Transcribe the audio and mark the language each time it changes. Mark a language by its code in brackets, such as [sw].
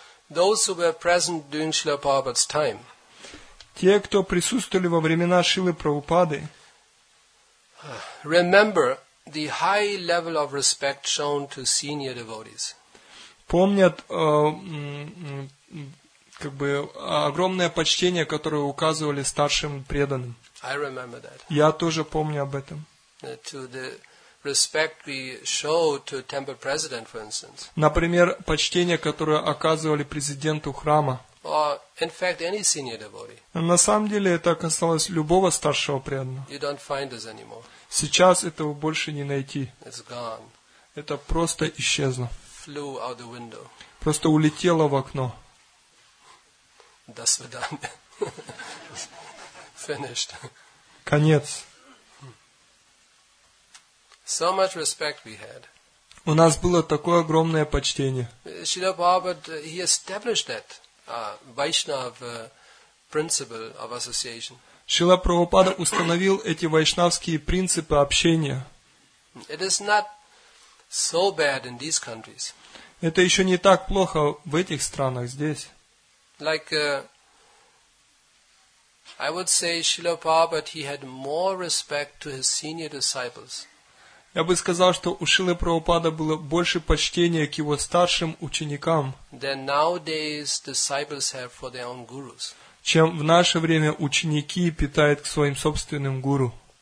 [en] Those who were present during Srila Prabhupada's time. [ru] Те, кто присутствовали во времена Шрилы Прабхупады. [en] Remember the high level of respect shown to senior devotees. [ru] Помнят как бы огромное почтение, которое указывали старшим преданным. [en] I remember that. [ru] Я тоже помню об этом. [en] To the respect we show to temple president, for instance. [ru] Например, почтение, которое оказывали президенту храма. [en] Or, in fact, any senior devotee. [ru] На самом деле, это касалось любого старшего преданного. [en] You don't find this anymore. [ru] Сейчас этого больше не найти. [en] It's gone. [ru] Это просто исчезло. [en] Flew out the window. [ru] Просто улетело в окно. До свидания. [en] Finished. [ru] Конец. [en] So much respect we had. [ru] У нас было такое огромное почтение. [en] Srila Prabhupada, he established that Vaishnava principle of association. [ru] Srila Prabhupada установил эти вайшнавские принципы общения. [en] It is not so bad in these countries. [ru] Это еще не так плохо в этих странах здесь. [en] Like I would say, Srila Prabhupada, he had more respect to his senior disciples. [ru] Я бы сказал, что у Шрилы Прабхупады было больше почтения к его старшим ученикам, чем в наше время ученики питают к своим собственным гуру.